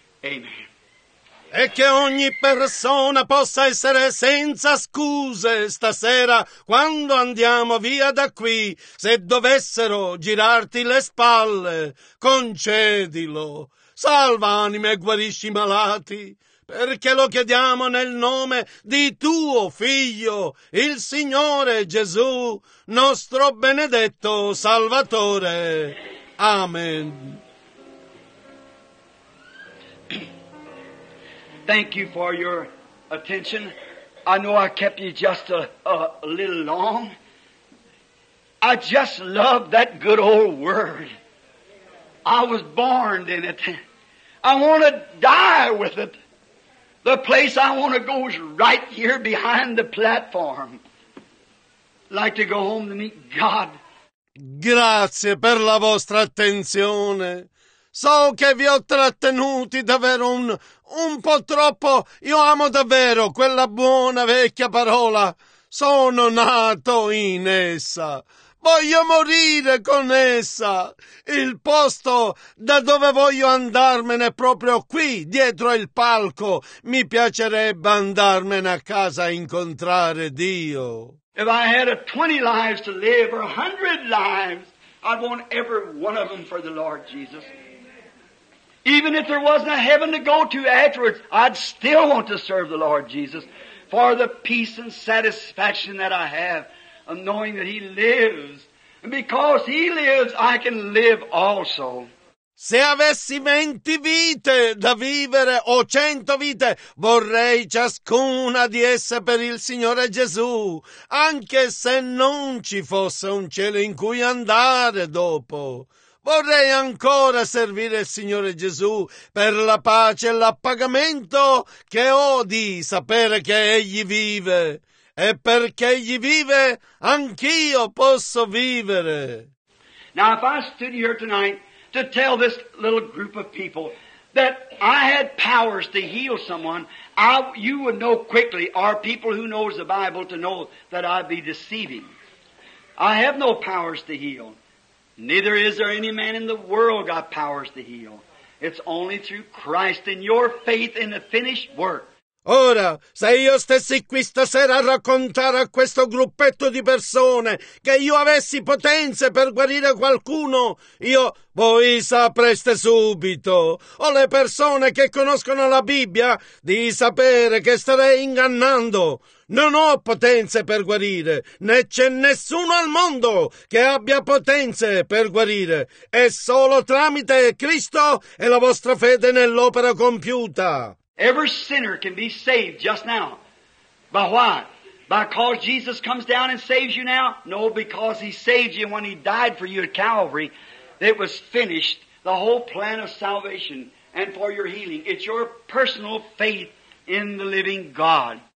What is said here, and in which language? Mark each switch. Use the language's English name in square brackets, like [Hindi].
[Italian] Amen. E che ogni persona possa essere senza scuse stasera quando andiamo via da qui, se dovessero girarti le spalle, concedilo. Salva anime e guarisci i malati, perché lo chiediamo nel nome di tuo Figlio, il Signore Gesù, nostro benedetto Salvatore. Amen. [English] Thank you for your attention. I know I kept you just a little long. I just love that good old word. I was born in it. I want to die with it. The place I want to go is right here behind the platform. I'd like to go home to meet God. [Italian] Grazie per la vostra attenzione. So che vi ho trattenuti davvero un po' troppo. Io amo davvero quella buona vecchia parola. Sono nato in essa. Voglio morire con essa. Il posto da dove voglio andarmene è proprio qui, dietro il palco. Mi piacerebbe andarmene a casa a incontrare Dio. [English] If I had 20 lives to live or 100 lives, I'd want every one of them for the Lord Jesus. Even if there wasn't a heaven to go to afterwards, I'd still want to serve the Lord Jesus for the peace and satisfaction that I have of knowing that He lives. And because He lives, I can live also. [Italian] Se avessi 20 vite da vivere o 100 vite, vorrei ciascuna di esse per il Signore Gesù, anche se non ci fosse un cielo in cui andare dopo. Vorrei ancora servire il Signore Gesù per la pace e l'appagamento che ho di sapere che Egli vive. E perché Egli vive, anch'io posso vivere. [English] Now, if I stood here tonight to tell this little group of people that I had powers to heal someone, you would know quickly, or people who knows the Bible, to know that I'd be deceiving. I have no powers to heal. Neither is there any man in the world got powers to heal. It's only through Christ and your faith in the finished work. [Italian] Ora, se io stessi qui stasera a raccontare a questo gruppetto di persone che io avessi potenze per guarire qualcuno, voi sapreste subito, o le persone che conoscono la Bibbia, di sapere che starei ingannando. Non ho potenze per guarire, né c'è nessuno al mondo che abbia potenze per guarire. È solo tramite Cristo e la vostra fede nell'opera compiuta. [English] Every sinner can be saved just now. By what? Because Jesus comes down and saves you now? No, because He saved you when He died for you at Calvary. It was finished. The whole plan of salvation and for your healing. It's your personal faith in the living God.